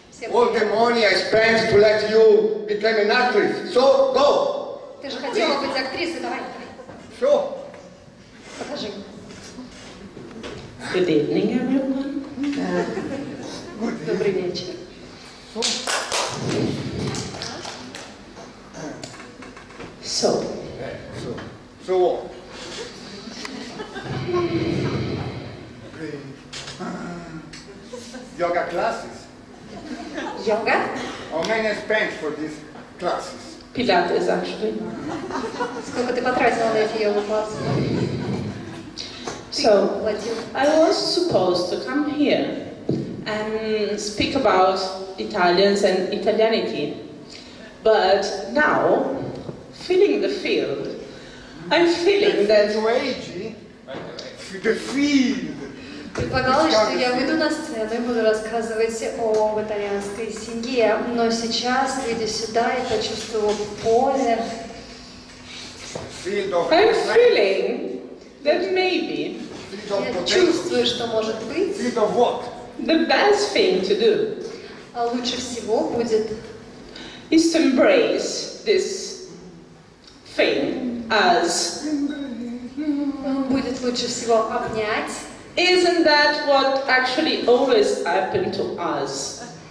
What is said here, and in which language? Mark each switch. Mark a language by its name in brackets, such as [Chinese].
[English] All the money I spent to let you become an actress. So go. [Russian] Ты же хотела быть актрисой, давай. Все. Покажи. [English] Good evening, everyone. [Russian] Добрый вечер. [English] So. So. So what? Yoga classes. Yoga? How many I spent for these classes? Pilates, actually. [Russian] Сколько ты потратила на эти йога классы? [English] So, I was supposed to come here and speak about Italians and Italianity. But now, feeling the field, I'm feeling that... The field! [Russian] Предполагалось, что я выйду на сцену и буду рассказывать об итальянской семье, но сейчас, видя сюда, я почувствовала поле. [English] I'm feeling that maybe [Russian] я чувствую, что может быть [English] the best thing to do. [Russian] А лучше всего будет [English] is to embrace this thing as [Russian] будет лучше всего обнять. [English] Isn't that what actually always happened to us?